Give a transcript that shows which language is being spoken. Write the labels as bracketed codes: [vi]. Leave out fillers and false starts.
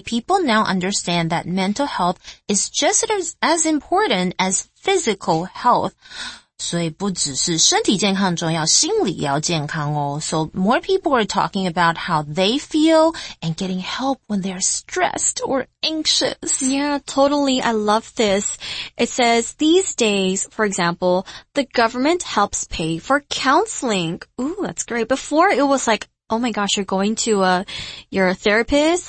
[en] People now understand that mental health is just as important as physical health. [zh] 所以不只是身体健康重要, 心理也要健康哦. [en] So more people are talking about how they feel and getting help when they're stressed or anxious. Yeah, totally. I love this. It says, these days, for example, the government helps pay for counseling. Ooh, that's great. Before it was like, oh my gosh, you're going to your therapist.